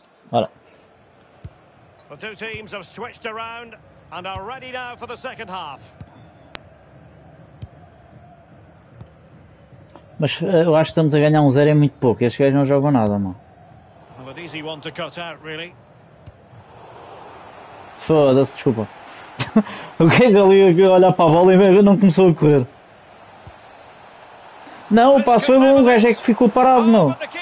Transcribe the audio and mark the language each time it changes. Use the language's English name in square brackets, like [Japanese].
[English] The two teams have switched around and are ready now for the second half. [Portuguese] Mas eu acho que estamos a ganhar 1-0 é muito pouco. Estes gajos não jogam nada, mano. [English] Well, an easy one to cut out, really. [Portuguese] Foda-se, desculpa. O gajo ali a olhar para a bola e mesmo não começou a correr. Não, o passo foi bom, o gajo é que ficou parado, não.